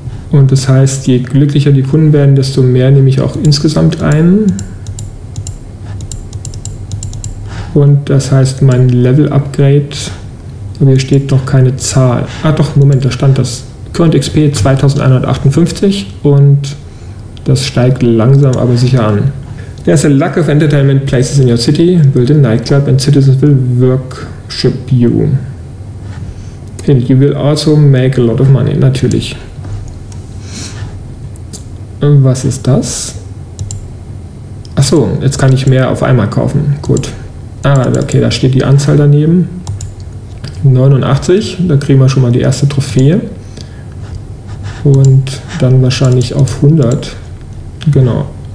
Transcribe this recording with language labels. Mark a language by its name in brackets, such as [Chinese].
[German] Und das heißt, je glücklicher die Kunden werden, desto mehr nehme ich auch insgesamt ein. Und das heißt, mein Level-Upgrade, aber hier steht noch keine Zahl. Ah doch, Moment, da stand das. Current XP 2158 und das steigt langsam aber sicher an. [English] There's a lack of entertainment places in your city. Build a nightclub and citizens will worship you. And you will also make a lot of money, natürlich. [German] Was ist das? Achso, jetzt kann ich mehr auf einmal kaufen. Gut. Ah, okay, da steht die Anzahl daneben. 89, da kriegen wir schon mal die erste Trophäe. Und dann wahrscheinlich auf 100. Genau.